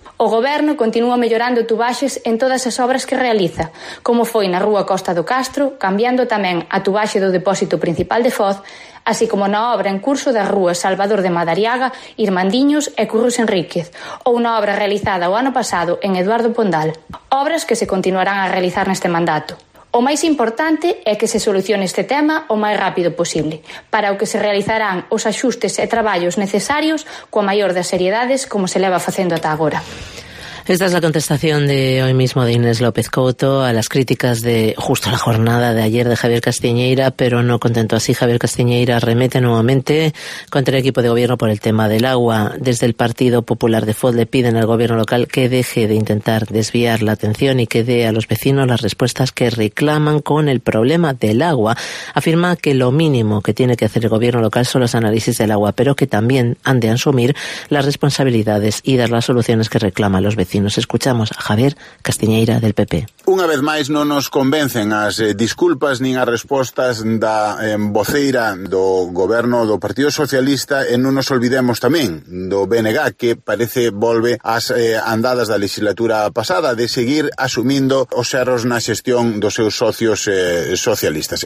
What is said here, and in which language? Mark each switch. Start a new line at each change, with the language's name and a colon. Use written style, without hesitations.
Galician: O goberno continúa mellorando tubaxes en todas as obras que realiza, como foi na rúa Costa do Castro, cambiando tamén a tubaxe do depósito principal de Foz, así como na obra en curso da rúa Salvador de Madariaga, Irmandiños e Curros Enríquez, ou na obra realizada o ano pasado en Eduardo Pondal. Obras que se continuarán a realizar neste mandato. O máis importante é que se solucione este tema o máis rápido posible, para o que se realizarán os axustes e traballos necesarios coa maior das seriedades como se leva facendo ata agora.
Spanish: Esta es la contestación de hoy mismo de Inés López Couto a las críticas de justo la jornada de ayer de Javier Castiñeira, pero no contento así, Javier Castiñeira arremete nuevamente contra el equipo de gobierno por el tema del agua. Desde el Partido Popular de Foz le piden al gobierno local que deje de intentar desviar la atención y que dé a los vecinos las respuestas que reclaman con el problema del agua. Afirma que lo mínimo que tiene que hacer el gobierno local son los análisis del agua, pero que también han de asumir las responsabilidades y dar las soluciones que reclaman los vecinos. Escuchamos a Javier Castiñeira del PP.
Galician: Unha vez máis non nos convencen as disculpas nin as respostas da voceira do goberno do Partido Socialista, e non nos olvidemos tamén do BNG, que parece volve ás andadas da legislatura pasada de seguir asumindo os erros na xestión dos seus socios socialistas.